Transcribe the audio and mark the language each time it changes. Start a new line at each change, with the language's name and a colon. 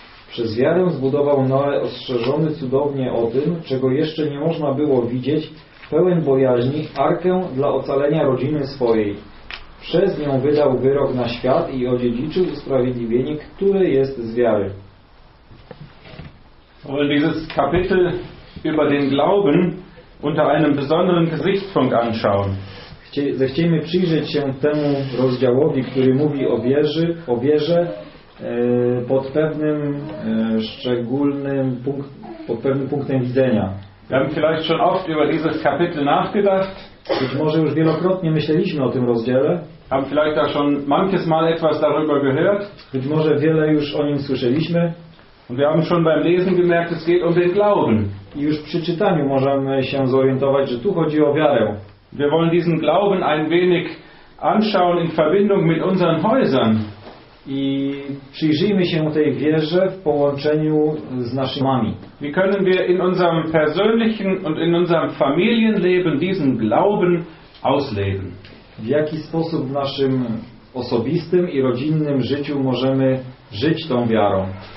Polish: Przez wiarę zbudował Noe ostrzeżony cudownie o tym, czego jeszcze nie można było widzieć, pełen bojaźni, arkę dla ocalenia rodziny swojej. Przez nią wydał wyrok na świat i odziedziczył usprawiedliwienie, które jest z wiary.
German: Und dieses Kapitel über den Glauben unter einem besonderen Gesichtspunkt anschauen.
Polish: Zechciejmy przyjrzeć się temu rozdziałowi, który mówi o wierze pod pewnym szczególnym punktem widzenia.
German: Wir haben vielleicht schon oft über dieses Kapitel nachgedacht.
Polish: Być może już wielokrotnie myśleliśmy o tym rozdziale.
German: Haben vielleicht auch schon manches Mal etwas darüber gehört.
Polish: Być może wiele już o nim słyszeliśmy.
German: Und wir haben schon beim Lesen gemerkt, es geht um den Glauben.
Polish: I już przy czytaniu możemy się zorientować, że tu chodzi o wiarę.
German: Wir wollen diesen Glauben ein wenig anschauen in Verbindung mit unseren Häusern.
Polish: I przyjrzyjmy się tej wierze w połączeniu z naszymi.
German: Wie können wir in unserem persönlichen und in unserem Familienleben diesen Glauben ausleben?
Polish: W jaki sposób w naszym osobistym i rodzinnym życiu możemy żyć tą wiarą?